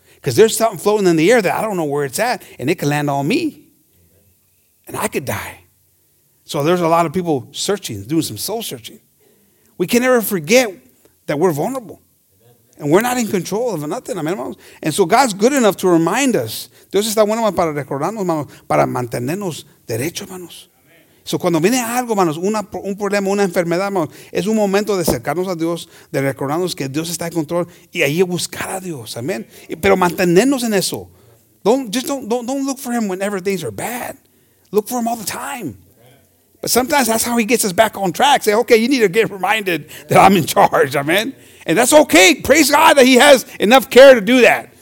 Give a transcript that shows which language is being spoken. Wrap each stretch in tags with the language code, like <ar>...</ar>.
<en>Because there's something floating in the air that I don't know where it's at, and it can land on me. And I could die. So there's a lot of people searching, doing some soul searching. We can never forget that we're vulnerable. And we're not in control of nothing.</en> <es>Amen, hermanos.</es> <en>And so God's good enough to remind us.</en> <es>Dios está bueno para recordarnos, hermanos, para mantenernos derechos, hermanos. So cuando viene algo, hermanos, un problema, una enfermedad, hermanos, es un momento de acercarnos a Dios, de recordarnos que Dios está en control y ahí buscar a Dios. Amen. Pero mantenernos en eso.</es> <en>Don't look for him whenever things are bad. Look for him all the time. But sometimes that's how he gets us back on track. Say, okay, you need to get reminded that I'm in charge. Amen. And that's okay. Praise God that he has enough care to do that.</en>